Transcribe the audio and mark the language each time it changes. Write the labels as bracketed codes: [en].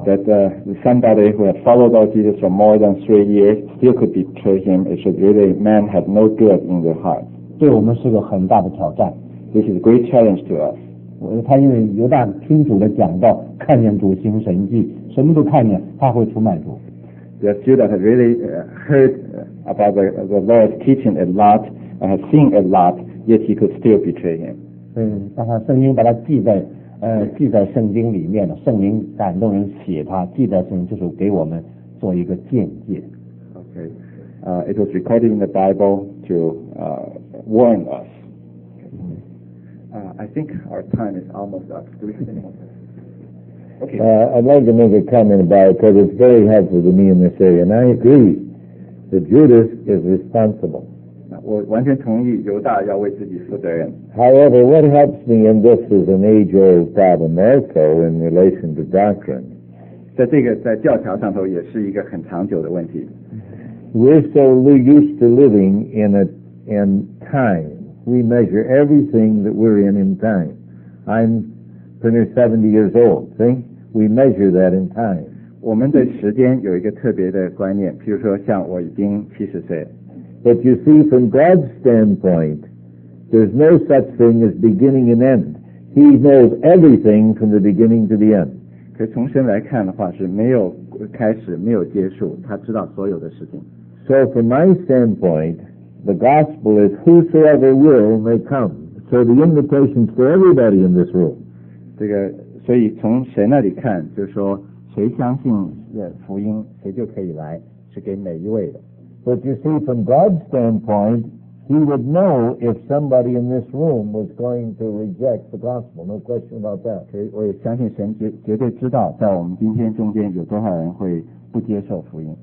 [en] That somebody who had followed all Jesus for more than 3 years still could betray him. It should really man had no good in their heart. [zh] 对我们是个很大的挑战。 [en] This is a great challenge to us. [zh] 他因为犹大听主的讲道，看见主行神迹，什么都看见，他会出卖主。 [en] Yes, Judas had really heard about the Lord's teaching a lot and had seen a lot, yet he could still betray him. [zh] 但他圣经把他记在圣经里面了，圣灵感动人写他，记在圣经就是给我们做一个见解。 [en] Okay, it was recorded in the Bible to warn us. I think our time is almost up. Do we have any more questions? Okay. I'd like to make a comment about it because it's very helpful to me in this area. And I agree that Judas is responsible. [zh] 我完全同意犹大要为自己负责任。 [en] However, what helps me in this is an age-old problem also in relation to doctrine. [zh] 在这个在教条上头也是一个很长久的问题。 [en] We're so used to living in time. We measure everything that we're in time. I'm 70 years old. See? We measure that in time. [zh] 我们的时间有一个特别的观念，譬如说像我已经70岁。 [en] But you see, from God's standpoint, there's no such thing as beginning and end. He knows everything from the beginning to the end. [zh] 可从神来看的话，是没有开始，没有结束，他知道所有的事情。 [en] So from my standpoint,The gospel is whosoever will may come. So the invitation's for everybody in this room. [zh] 这个，所以从神那里看，就是说谁相信福音，谁就可以来，是给每一位的。 [en] But you see, from God's standpoint, He would know if somebody in this room was going to reject the gospel. No question about that. [zh] 可以，我也相信神绝对知道，在我们今天中间有多少人会不接受福音。